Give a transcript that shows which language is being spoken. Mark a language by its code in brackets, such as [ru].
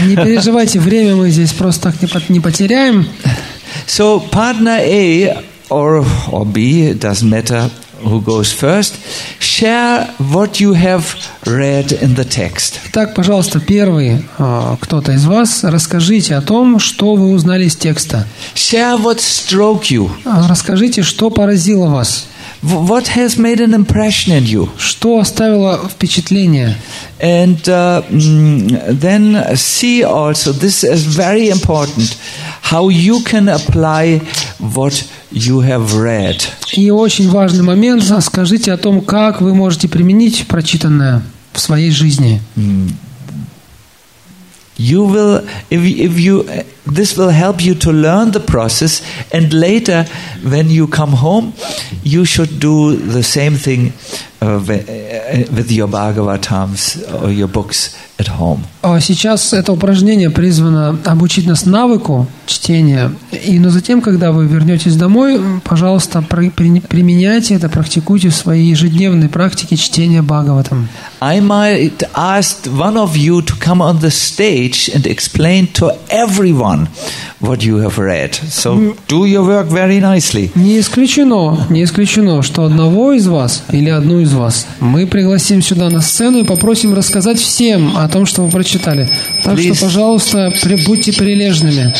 [ru] Не переживайте, время мы здесь просто так не потеряем. [en] So partner A or B, it doesn't matter who goes first. Share what you have read in the text. [ru] Так, пожалуйста, первый кто-то из вас, расскажите о том, что вы узнали из текста. [en] Share what struck you. [ru] Расскажите, что поразило вас. [en] What has made an impression in you? [ru] Что оставило впечатление? [en] And then see also, this is very important, how you can apply what you have read. [ru] И очень важный момент, скажите о том, как вы можете применить прочитанное в своей жизни. [en] You will, if you, this will help you to learn the process, and later, when you come home, you should do the same thing with your Bhagavatams or your books at home. [ru] Сейчас это упражнение призвано обучить нас навыку чтения, и но затем, когда вы вернетесь домой, пожалуйста, применяйте это, практикуйте в своей ежедневной практике чтения Бхагаватам. [en] I might ask one of you to come on the stage and explain to everyone what you have read. So do your work very nicely. [ru] Не исключено, что одного из вас или одну из вас мы пригласим сюда на сцену и попросим рассказать всем о том, что вы прочитали. Так [en] please, [ru] что, пожалуйста, будьте прилежными.